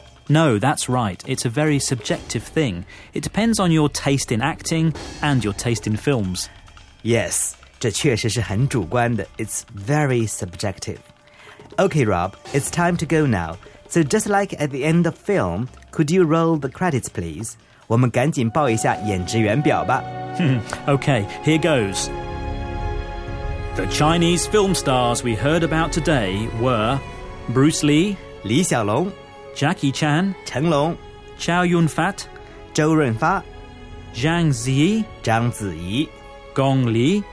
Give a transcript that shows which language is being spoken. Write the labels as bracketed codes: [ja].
[en] No, that's right. It's a very subjective thing. It depends on your taste in acting and your taste in films. Yes, [zh] 这确实是很主观的 [en] It's very subjective.Okay, Rob, it's time to go now. So just like at the end of film, could you roll the credits, please? [zh] 我们赶紧报一下演职员表吧。 [en] Okay, here goes. The Chinese film stars we heard about today were Bruce Lee, [zh] 李小龙 [en] Jackie Chan, [zh] 成龙 [en] Chow Yun-fat, [zh] 周润发 [en] Zhang Ziyi, [zh] 张子怡 [en] Gong Li,